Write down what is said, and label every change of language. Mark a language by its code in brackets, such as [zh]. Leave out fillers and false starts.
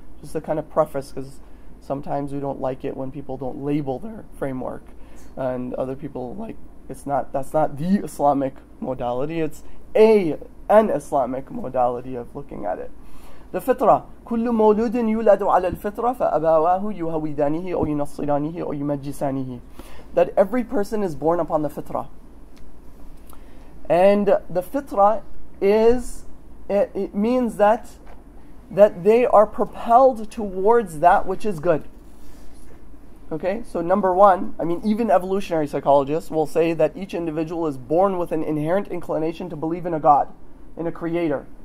[en] Just to kind of preface, because sometimes we don't like it when people don't label their framework. And other people, like, that's not the Islamic modality. It's an Islamic modality of looking at it. The fitrah. [ar] كل مولود يولد على الفطرة فأبواه يهودانه أو ينصرانه أو يمجسانه. [en] That every person is born upon the fitra. And the fitra is, it means that they are propelled towards that which is good. Okay, so number one, I mean, even evolutionary psychologists will say that each individual is born with an inherent inclination to believe in a God, in a creator.